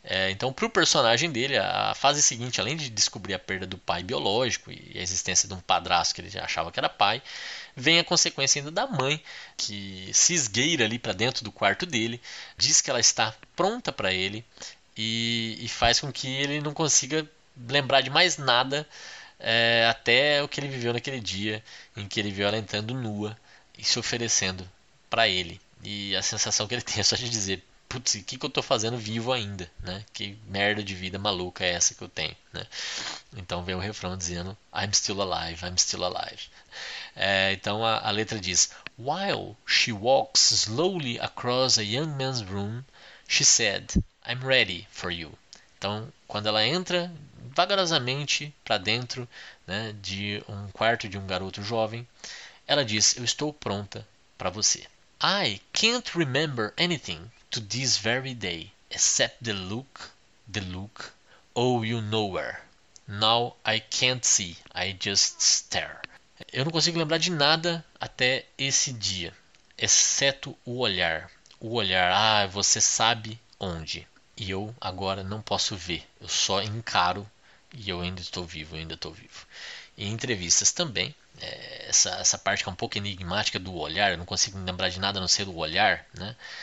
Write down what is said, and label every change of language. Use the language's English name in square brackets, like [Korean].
[Portuguese] Então, para o personagem dele, a fase seguinte, além de descobrir a perda do pai biológico e a existência de um padrasto que ele já achava que era pai, vem a consequência ainda da mãe, que se esgueira ali para dentro do quarto dele, diz que ela está pronta para ele e faz com que ele não consiga lembrar de mais nada, até o que ele viveu naquele dia em que ele viu ela entrando nua e se oferecendo para ele. E a sensação que ele tem é só de dizer: putz, o que que eu tô fazendo vivo ainda, né? Que merda de vida maluca é essa que eu tenho, né? Então vem o refrão dizendo: [English] I'm still alive, I'm still alive. [Portuguese] Então a letra diz: [English] While she walks slowly across a young man's room, she said, I'm ready for you. [Portuguese] Então, quando ela entra vagarosamente para dentro, né, de um quarto de um garoto jovem, ela diz: Eu estou pronta para você. [English] I can't remember anything to this very day, except the look, oh, you know where. Now I can't see, I just stare. [Portuguese] Eu não consigo lembrar de nada até esse dia, exceto o olhar. O olhar, ah, você sabe onde. E eu agora não posso ver, eu só encaro e eu ainda estou vivo, eu ainda estou vivo. Em entrevistas também, essa parte que é um pouco enigmática do olhar, eu não consigo lembrar de nada a não ser do olhar, né?